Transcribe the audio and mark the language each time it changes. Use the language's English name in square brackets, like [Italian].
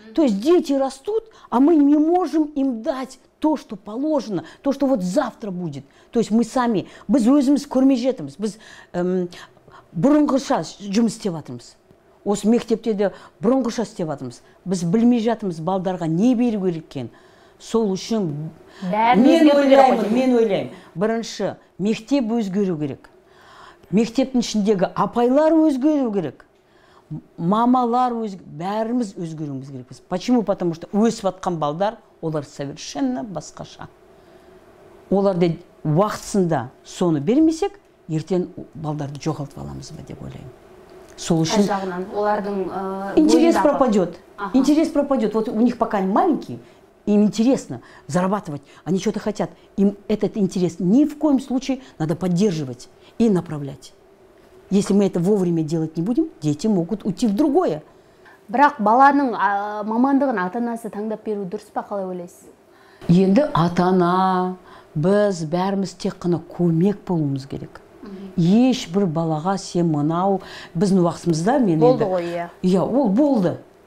[Russian] То есть дети растут, а мы не можем им дать то, что положено, то, что вот завтра будет. То есть мы сами, [Kazakh] біз өзіміз көрмей жетіміз, біз бұрынғыша жұмыс істеп жатырмыз. Осы мектепте де бұрынғыша істеп жатырмыз. Біз білмей жатырмыз балдарға не беру керек екен. Сол үшін мен ойлаймын. Бірінші, мектеп өзгеру керек. Мектептің ішіндегі апайлар өзгеру керек. Мамалар бәріміз өзгеруіміз керекпіз. [Russian] Почему? Потому что [Kazakh] өсіп атқан балдар, олар совершенно басқаша. Оларды уақытсында соны бермесек, ертен балдарды жоғалтып аламыз ба деп ойлаймын. Сол үшін... Қажағынан, олардың... [Russian] Интерес пропадет. Интерес пропадет. Вот у них пока они маленькие, им интересно зарабатывать. Они что-то хотят. Им этот интерес ни в коем случае надо поддерживать и направлять. Если мы это вовремя делать не будем, дети могут уйти в другое. [Kazakh] Бірақ баланың мамандығын ата-анасы таңдап беру дұрыс па, қалай ойлайсыз? Енді ата-ана, біз бәріміз тек қана көмек болуымыз керек. Ешбір балаға сен мынау, біздің уақытымызда мен енді... Болды ғой, иә. Иә, ол болды.